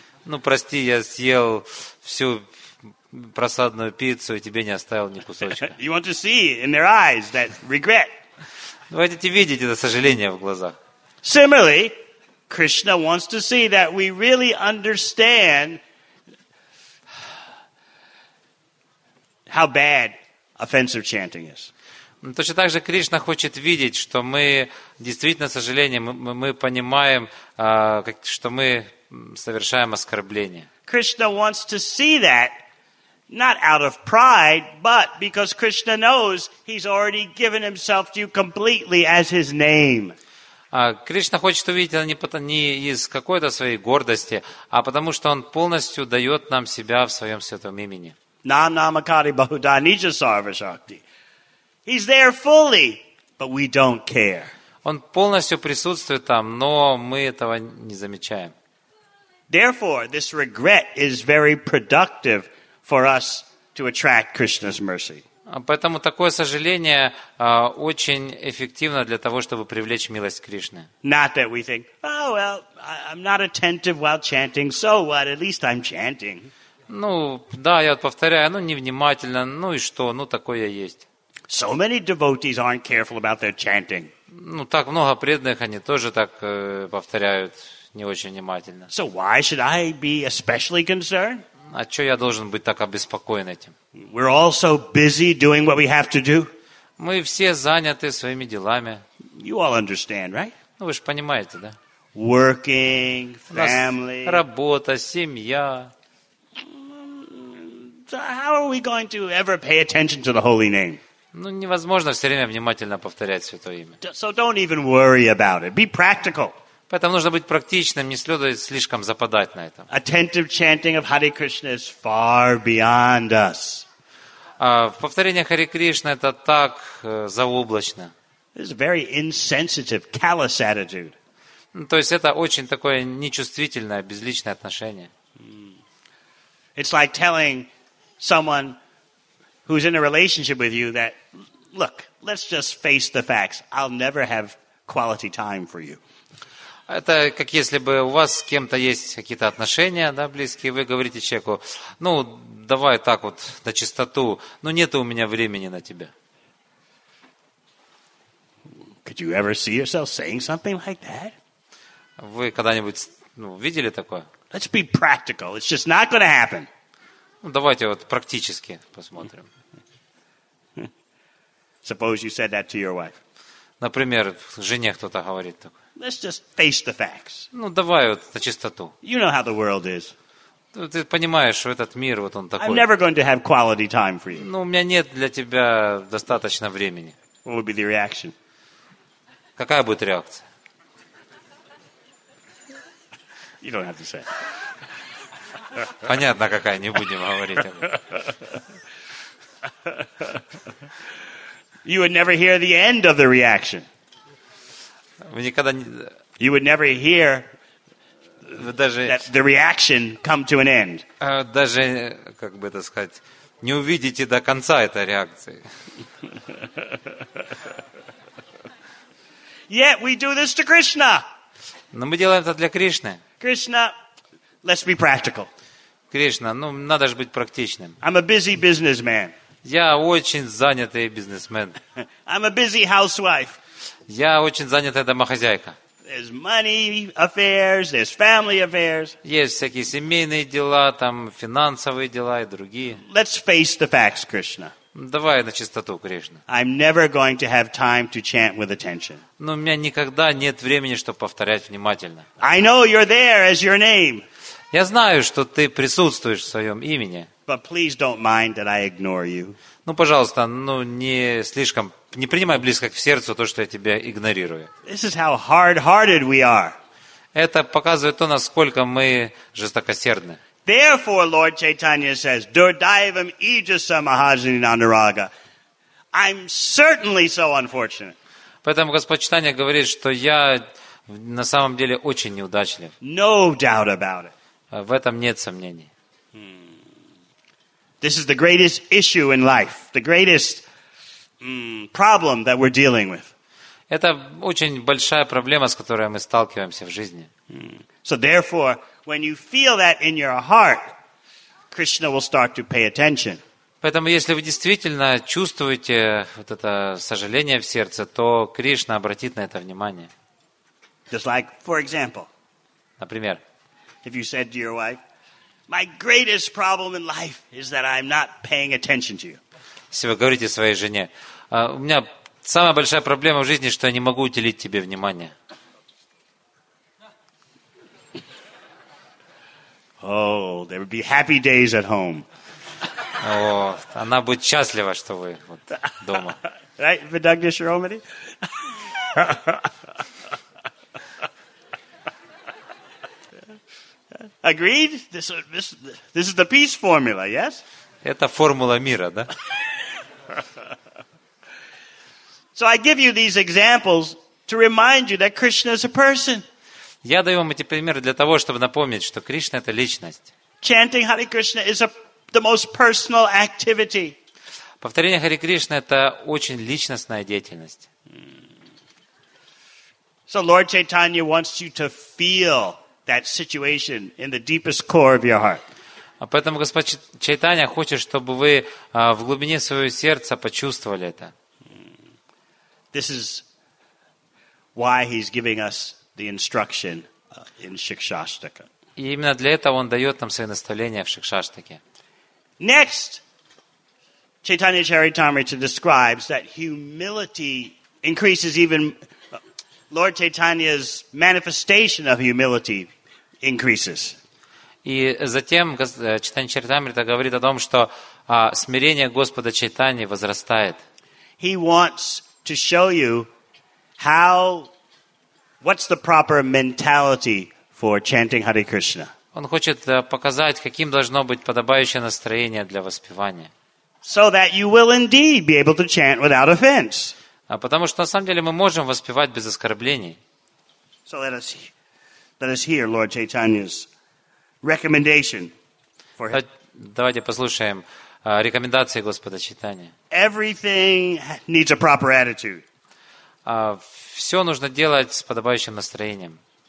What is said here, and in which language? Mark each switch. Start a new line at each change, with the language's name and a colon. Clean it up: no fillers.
Russian: Ну, прости, я съел всю просадную пиццу и тебе не оставил ни кусочка.
English: You want to see in their eyes that regret.
Russian: Вы хотите видеть это сожаление в глазах.
English: Similarly, Krishna wants to see that we really understand how bad offensive chanting is.
Russian: Точно так же Кришна хочет видеть, что мы действительно, к сожалению, мы понимаем, что мы совершаем оскорбление.
English: Krishna wants to see that not out of pride, but because Krishna knows he's already given himself to you completely as his name.
Russian: Кришна хочет увидеть это не из какой-то своей гордости, а потому что он полностью дает нам себя в своем святом имени.
Sanskrit: Nanamakari Bahudha Nijasarva Shakti.
English: He's there fully, but we don't care.
Russian: Он полностью присутствует там, но мы этого не замечаем.
English: Therefore, this regret is very productive for us to attract Krishna's mercy.
Russian: Поэтому такое сожаление очень эффективно для того, чтобы привлечь милость Кришны.
English: Not that we think, oh well, I'm not attentive while chanting, so what? At least I'm chanting.
Russian: Ну, да, я повторяю, невнимательно, ну и что, такое есть.
English: So many devotees aren't careful about their chanting.
Russian: Ну, так много преданных, они тоже так повторяют не очень внимательно.
English: So why should I be especially concerned?
Russian: А что я должен быть так обеспокоен этим?
English: We're all so busy doing what we have to do.
Russian: Мы все заняты своими делами.
English: You all understand, right?
Russian: Ну, вы же понимаете, да?
English: Working, family.
Russian: Работа, семья.
English: So how are we going to ever pay attention to the holy name?
Russian: Ну, невозможно все время внимательно повторять святое имя.
English: So don't even worry about it. Be practical.
Russian: Поэтому нужно быть практичным, не следует слишком западать на этом.
English: Attentive chanting of Hare Krishna is far beyond us.
Russian: Повторение Харе Кришна это так заоблачно.
English: This is a very insensitive, callous attitude.
Russian: То есть это очень такое нечувствительное, безличное отношение.
English: It's like telling someone who's in a relationship with you that, look, let's just face the facts. I'll never have quality time for you.
Russian: Это как если бы у вас с кем-то есть какие-то отношения, да, близкие, вы говорите человеку, ну, давай так вот, на чистоту, ну, нет у меня времени на тебя.
English: Could you ever see yourself saying something like that?
Russian: Вы когда-нибудь, ну, видели такое?
English: Let's be practical, it's just not going to happen.
Russian: Ну, давайте вот практически посмотрим.
English: Suppose you said that to your wife.
Russian: Например, жене кто-то говорит такое.
English: Let's just face the facts.
Russian: Ну, давай вот на чистоту.
English: You know how the world is.
Russian: Ты понимаешь, что этот мир, вот он такой.
English: I'm never going to have quality time for you.
Russian: Ну, у меня нет для тебя достаточно времени.
English: What would be the reaction?
Russian: Какая будет реакция?
English: You don't have to say.
Russian: Понятно, какая, не будем говорить об этом.
English: You would never hear the end of the reaction. You would never hear that the reaction come to an end.
Russian: Даже, как бы это сказать, не увидите до конца этой реакции.
English: Yet we do this to Krishna.
Russian: Но мы делаем это для Кришны.
English: Krishna, let's be practical.
Russian: Кришна, ну надо же быть практичным.
English: I'm a busy businessman.
Russian: Я очень занятый бизнесмен.
English: I'm a busy housewife.
Russian: Я очень занятая домохозяйка.
English: There's money affairs, there's family affairs.
Russian: Есть всякие семейные дела, там финансовые дела и другие.
English: Let's face the facts, Krishna.
Russian: Давай на чистоту, Кришна.
English: I'm never going to have time to chant with attention.
Russian: Но у меня никогда нет времени, чтобы повторять внимательно.
English: I know you're there as your name.
Russian: Я знаю, что ты присутствуешь в своем имени.
English: But please don't mind that I ignore you.
Russian: Ну, пожалуйста, ну не слишком. Не принимай близко к сердцу то, что я тебя игнорирую.
English: This is how hard-hearted we are.
Russian: Это показывает то, насколько мы жестокосердны.
English: Therefore, Lord Chaitanya says,
Sanskrit: Durdaivam Ijasa Mahajani Nandaraga.
English: I'm certainly so unfortunate.
Russian: Поэтому Господь Чайтанья говорит, что я на самом деле очень неудачлив.
English: No doubt about it.
Russian: В этом нет сомнений.
English: This is the greatest issue in life. The greatest problem that we're dealing with.
Russian: Это очень большая проблема, с которой мы сталкиваемся в жизни.
English: So therefore, when you feel that in your heart, Krishna will start to pay attention.
Russian: Поэтому, если вы действительно чувствуете вот это сожаление в сердце, то Кришна обратит на это внимание.
English: Just like, for example,
Russian: например,
English: if you said to your wife, "My greatest problem in life is that I'm not paying attention to you."
Russian: Если вы говорите своей жене, у меня самая большая проблема в жизни, что я не могу уделить тебе внимание.
English: Oh, there would be happy days at home.
Russian: Вот. Она будет счастлива, что вы вот дома.
English: Right, Vidagdish Romani? Agreed? This is the peace formula, yes?
Russian: Это формула мира, да?
English: So I give you these examples to remind you that Krishna is a person.
Russian: Я даю вам эти примеры для того, чтобы напомнить, что Кришна это личность.
English: Chanting Hare Krishna is the most personal activity.
Russian: Повторение Харе Кришна это очень личностная деятельность.
English: So Lord Chaitanya wants you to feel that situation in the deepest core of your heart.
Russian: Поэтому Господь Чайтанья хочет, чтобы вы в глубине своего сердца почувствовали это.
English: This is why he's giving us the instruction in Shikshashtaka.
Russian: И именно для этого он дает нам свои наставления в Шикшаштаке.
English: Next, Chaitanya Charitamrita describes that humility increases even Lord Chaitanya's manifestation of humility increases.
Russian: И затем Чайтанья Чаритамрита говорит о том, что смирение Господа Чайтаньи возрастает.
English: He wants to show you what's the proper mentality for chanting Hare Krishna.
Russian: Он хочет показать, каким должно быть подобающее настроение для воспевания.
English: So that you will indeed be able to chant without offense.
Russian: Потому что на самом деле мы можем воспевать без оскорблений.
English: So let us hear Lord Chaitanya's recommendation for him.
Russian: Давайте послушаем рекомендации Господа Чайтаньи.
English: Everything needs a proper attitude.
Russian: Все нужно делать с подобающим настроением.